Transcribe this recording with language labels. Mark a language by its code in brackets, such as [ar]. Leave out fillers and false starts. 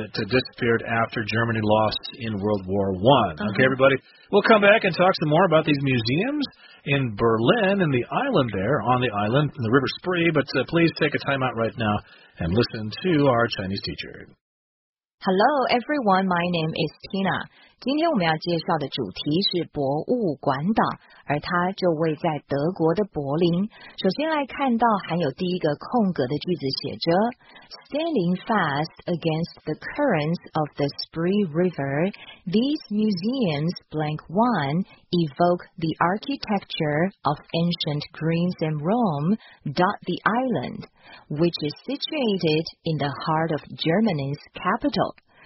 [en] It disappeared after Germany lost in World War I. Uh-huh. Okay, everybody, we'll come back and talk some more about these museums in Berlin and the island there on the island, the River Spree. But please take a time out right now and listen to our Chinese teacher. Hello, everyone. My name is Tina. [zh] 今天我们要介绍的主题是博物馆岛，而它就位在德国的柏林。首先来看到含有第一个空格的句子，写着 [en] Sailing fast against the currents of the Spree River, these museums blank one evoke the architecture of ancient Greece and Rome dot the island, which is situated in the heart of Germany's capital.